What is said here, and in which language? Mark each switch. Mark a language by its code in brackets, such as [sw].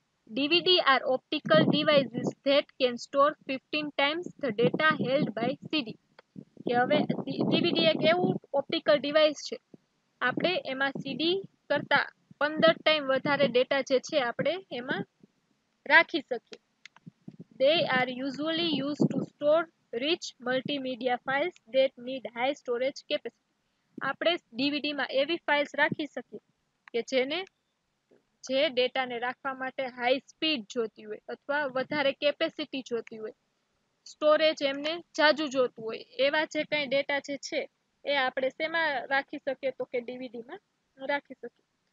[en] DVD are optical devices that can store 15 times the data held by CD. [gu] કે હવે DVD એક એવું optical device છે, આપણે એમાં સીડી કરતાં 15 ટાઈમ વધારે ડેટા જે છે આપણે એમાં રાખી શકીએ. [en] They are usually used to store rich multimedia files that need high storage capacity. [gu] આપણે ડીવીડી માં એવી ફાઇલ્સ રાખી શકીએ કે જેને જે ડેટાને રાખવા માટે હાઈ સ્પીડ જોતી હોય અથવા વધારે કેપેસિટી જોતી હોય, સ્ટોરેજ એમને જાજુ જોતું હોય, એવા જે કંઈ ડેટા જે છે એ આપણે શેમાં રાખી શકીએ, તો કે ડીવીડીમાં રાખી શકીએ.